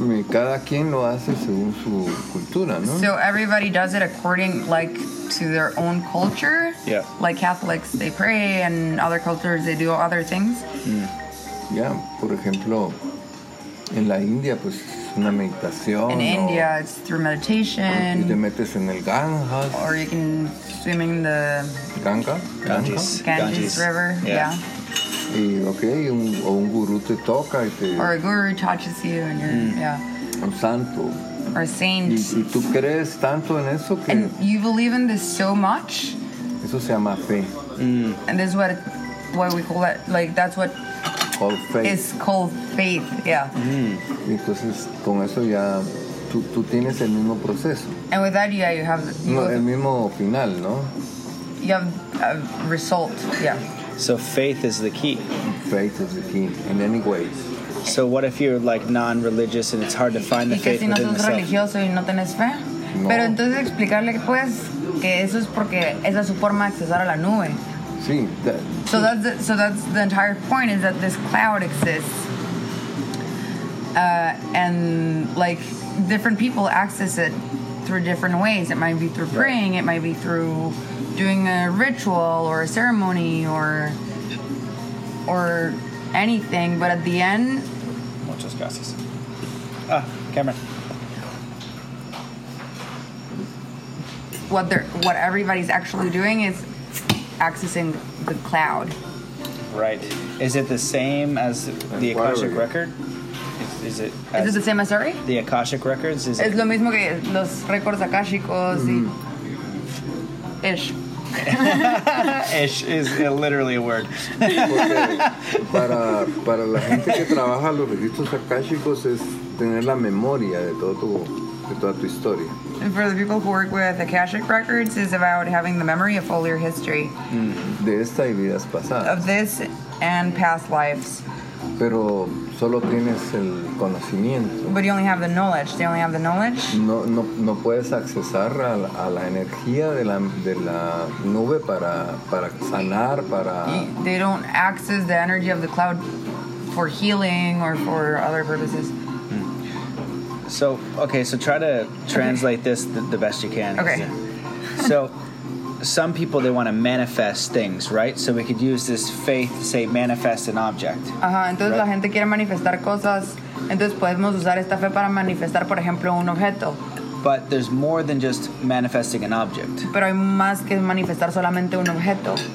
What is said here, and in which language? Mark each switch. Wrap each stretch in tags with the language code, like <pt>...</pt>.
<es>Cada quien lo hace según su cultura, ¿no?</es> <en>So everybody does it according, like, to their own culture. Yeah. Like Catholics, they pray, and other cultures, they do other things. Mm.</en> <es>Yeah, por ejemplo, en la India, pues, una meditación.</es> <en>In India, it's through meditation.</en> <es>Y te metes en el Ganges.</es> <en>Or you can swim in the... Ganga? Ganges. Ganges River, yeah.</en> <es>Y, okay, un guru te toca y te,</es> <en>or a guru touches you and you're, yeah.</en> <es>Un santo.</es> <en>Or a saint.</en> <es>Y tú crees tanto en eso que,</es> <en>and you believe in this so much.</en> <es>Eso se llama fe.</es> <en>And this is what we call it, like, that's what called faith. It's called faith, yeah. Mm.</en> <es>Entonces, con eso ya, tú tienes el mismo proceso.</es> <en>And with that, yeah, you have...</en> <es>el mismo final, ¿no?</es> <en>You have a result, yeah. So faith is the key. Faith is the key, in any ways. So what if you're, like, non-religious and it's hard to find the faith within yourself?</en> <es>¿Y que si no sos religioso y no tenés fe? No. Pero entonces explicarle, pues, que eso es porque esa es su forma de accesar a la nube. Sí,</es> <en>So that's the entire point, is that this cloud exists, and like different people access it through different ways. It might be through praying, it might be through doing a ritual or a ceremony or anything. But at the end,</en> <es>muchas gracias. Ah, Cameron.</es> <en>What everybody's actually doing is accessing the cloud. Right. Is it the same as the Akashic record? Is it the same as, sorry? The Akashic records?</en> <es>Es lo mismo que los récords akashicos y...</es> <en>Ish. Ish is literally a word.</en> <es>Para la gente que trabaja los registros akashicos es tener la memoria de toda tu historia.</es> <en>And for the people who work with Akashic Records, it's about having the memory of all your history.</en> <es>De esta y vidas pasadas.</es> <en>Of this and past lives.</en> <es>Pero solo tienes el conocimiento.</es> <en>But you only have the knowledge. They only have the knowledge.</en> <es>No puedes accesar a la energía de la nube para sanar, para...</es> <en>They don't access the energy of the cloud for healing or for other purposes. So, okay, so try to translate this the best you can. Okay. So, some people, they want to manifest things, right? So we could use this faith to say manifest an object.</en> <es>Ajá, entonces right? La gente quiere manifestar cosas, entonces podemos usar esta fe para manifestar, por ejemplo, un objeto.</es> <en>But there's more than just manifesting an object.</en> <es>Pero hay más que manifestar solamente un objeto.</es>